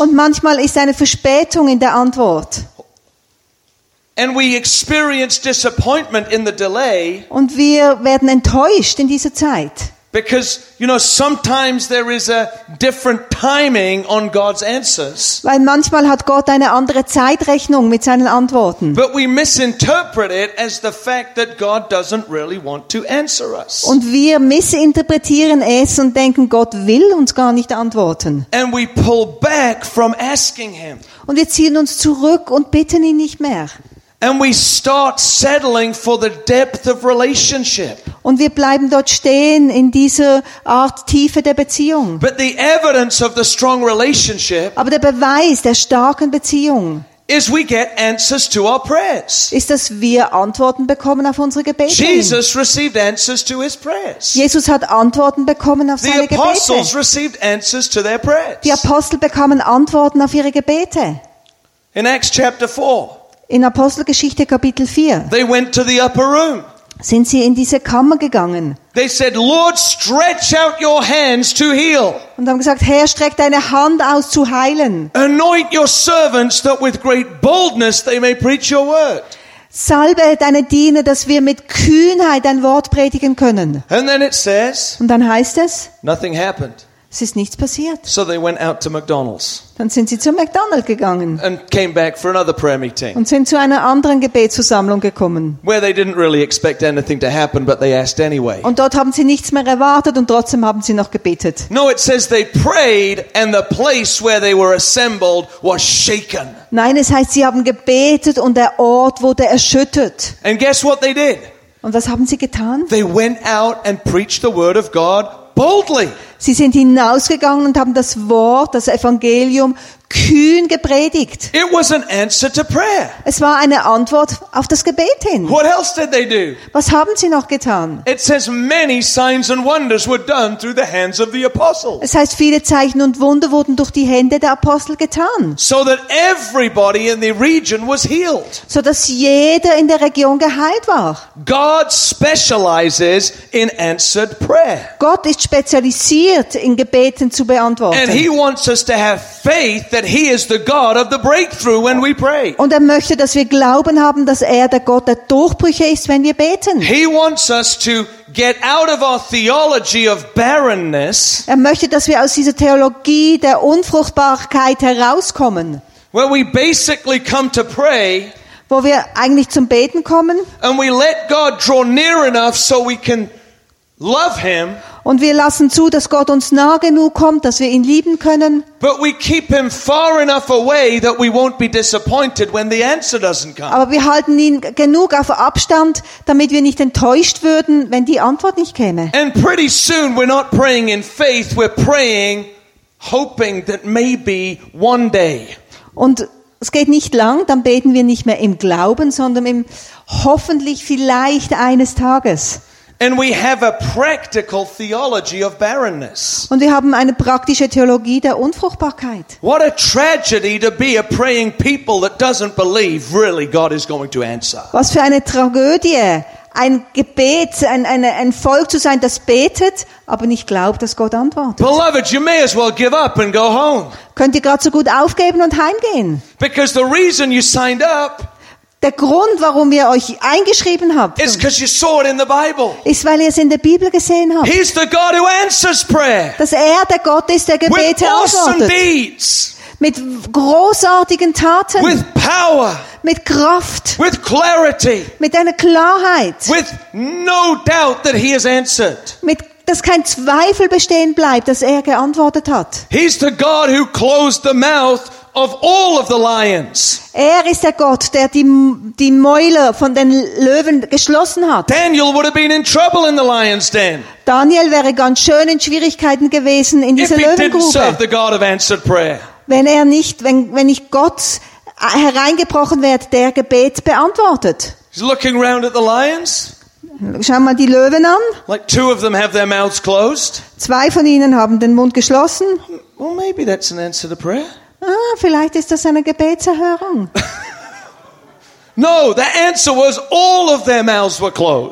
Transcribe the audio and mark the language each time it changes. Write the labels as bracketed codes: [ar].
[de] Und manchmal ist eine Verspätung in der Antwort. [en] And we experience disappointment in the delay. [de] Und wir werden enttäuscht in dieser Zeit. [en] Because, you know, sometimes there is a different timing on God's answers. [de] Weil manchmal hat Gott eine andere Zeitrechnung mit seinen Antworten. [en] But we misinterpret it as the fact that God doesn't really want to answer us. [de] Und wir missinterpretieren es und denken, Gott will uns gar nicht antworten. [en] And we pull back from asking him. [de] Und wir ziehen uns zurück und bitten ihn nicht mehr. [en] And we start settling for the depth of relationship. [de] Und wir bleiben dort stehen in dieser Art Tiefe der Beziehung. [en] But the evidence of the strong relationship, [de] aber der Beweis der starken Beziehung, [en] is we get answers to our prayers. [de] Ist, dass wir Antworten bekommen auf unsere Gebete. [en] Jesus received answers to his prayers. [de] Jesus hat Antworten bekommen auf [en] the [de] seine Gebete. [en] Apostles received answers to their prayers. [de] Die Apostel bekamen Antworten auf ihre Gebete. [en] In Acts chapter 4. [de] In Apostelgeschichte Kapitel 4. [en] They went to the upper room. [de] Sind sie in diese Kammer gegangen? [en] They said, Lord, stretch out your hands to heal. [de] Und haben gesagt, Herr, streck deine Hand aus zu heilen. [en] Anoint your servants that with great boldness they may preach your word. [de] Salbe deine Diener, dass wir mit Kühnheit dein Wort predigen können. [en] And then it says, [de] und dann heißt es, [en] nothing happened. [de] Es ist nichts passiert. [en] So they went out to McDonald's. [de] Dann sind sie zu McDonald's gegangen. [en] And came back for another prayer meeting. [de] Und sind zu einer anderen Gebetsversammlung gekommen. [en] Where they didn't really expect anything to happen, but they asked anyway. [de] Und dort haben sie nichts mehr erwartet und trotzdem haben sie noch gebetet. [en] No, it says they prayed and the place where they were assembled was shaken. [de] Nein, es heißt, sie haben gebetet und der Ort wurde erschüttert. [en] And guess what they did? [de] Und was haben sie getan? [en] They went out and preached the word of God. Boldly. [de] Sie sind hinausgegangen und haben das Wort, das Evangelium, kühn gepredigt. [en] It was an answer to prayer. [de] Es war eine Antwort auf das Gebet hin. [en] What else did they do? [de] Was haben sie noch getan? [en] It says many signs and wonders were done through the hands of the apostles. [de] Es heißt, viele Zeichen und Wunder wurden durch die Hände der Apostel getan. [en] So that everybody in the region was healed. [de] So dass jeder in der Region geheilt war. [en] God specializes in answered prayer. [de] Gott ist spezialisiert in Gebeten zu beantworten. [en] And he wants us to have faith that he is the God of the breakthrough when we pray. [de] Und er möchte, dass wir Glauben haben, dass er der Gott der Durchbrüche ist, wenn wir beten. [en] He wants us to get out of our theology of barrenness. [de] Er möchte, dass wir aus dieser Theologie der Unfruchtbarkeit herauskommen. [en] Where we basically come to pray. [de] Wo wir eigentlich zum Beten kommen. [en] And we let God draw near enough so we can love him. [de] Und wir lassen zu, dass Gott uns nah genug kommt, dass wir ihn lieben können. [en] But we keep him far enough away that we won't be disappointed when the answer doesn't come. [de] Aber wir halten ihn genug auf Abstand, damit wir nicht enttäuscht würden, wenn die Antwort nicht käme. [en] And pretty soon we're not praying in faith, we're praying hoping that maybe one day. [de] Und es geht nicht lang, dann beten wir nicht mehr im Glauben, sondern im hoffentlich vielleicht eines Tages. [en] And we have a practical theology of barrenness. [de] Und wir haben eine praktische Theologie der Unfruchtbarkeit. [en] What a tragedy to be a praying people that doesn't believe really God is going to answer. [de] Was für eine Tragödie, ein Gebet, ein Volk zu sein, das betet, aber nicht glaubt, dass Gott antwortet. [en] Beloved, you may as well give up and go home. [de] Könnt ihr gerade so gut aufgeben und heimgehen? [en] Because the reason you signed up. [de] Der Grund, warum ihr euch eingeschrieben habt, ist, weil ihr es in der Bibel gesehen habt. [en] He's the God who answers prayer. [de] Dass er der Gott ist, der Gebete antwortet. Mit großartigen Taten. [en] With power. [de] Mit Kraft. [en] With clarity. [de] Mit einer Klarheit. [en] With no doubt that he has answered. [de] Mit dass kein Zweifel bestehen bleibt, dass er geantwortet hat. Er ist der Gott, der [en] closed the mouth of all of the lions. [de] Er ist der Gott, der die Mäuler von den Löwen geschlossen hat. [en] Daniel would have been in trouble in the lion's den. [de] Daniel wäre ganz schön in Schwierigkeiten gewesen in dieser Löwengrube. [en] If he didn't serve the God of answered prayer. [de] Wenn nicht Gott hereingebrochen wird, der Gebet beantwortet. [en] He's looking round at the lions. [de] Schau mal die Löwen an. [en] Like two of them have their mouths closed. [de] Zwei von ihnen haben den Mund geschlossen. [en] Well, maybe that's an answer to prayer. [de] Ah, vielleicht ist das eine Gebetserhörung. [en] No, the answer was all of their mouths were closed.